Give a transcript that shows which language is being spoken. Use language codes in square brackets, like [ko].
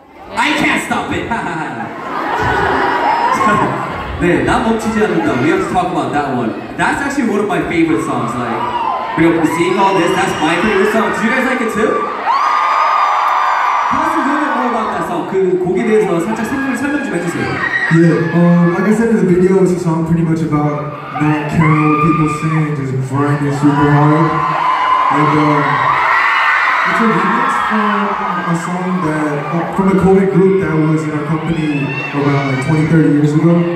[en] I can't stop it! [ko] 네, 나 멈추지 않는다. [en] We have to talk about that one. That's actually one of my favorite songs. Like, we're seeing all this, that's my favorite song. Do you guys like it too? How's the feeling more about that song? [ko] 그 곡에 대해서 살짝 설명 좀 해주세요. [en] Yeah, like I said in the video, it's a song pretty much about not caring what people say and just grinding super hard. And it's a remix from a song that, from a COVID group that was in our company about like 20, 30 years ago.